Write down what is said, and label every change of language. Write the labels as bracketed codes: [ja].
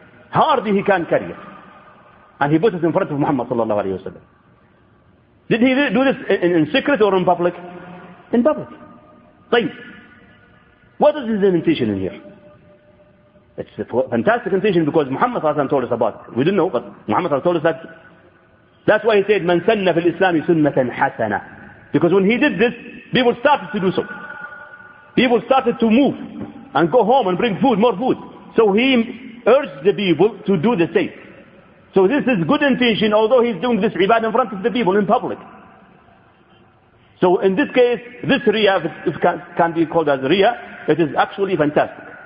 [en] Hardly he can carry it. And he put it in front of Muhammad sallallahu alayhi wa sallam. Did he do this in secret or in public? In public. طيب. What is his intention in here? It's a fantastic intention because Muhammad sallallahu alayhi wa sallam told us about it. We didn't know, but Muhammad sallallahu alayhi wa sallam told us that That's why he said, [ar] من سن في الإسلام سنة حسنة. [en] Because when he did this, people started to do so. People started to move and go home and bring food, more food. So he urged the people to do the same. So this is good intention, although he's doing this ibadah in front of the people in public. So in this case, this riya, if can be called as riya, it is actually fantastic.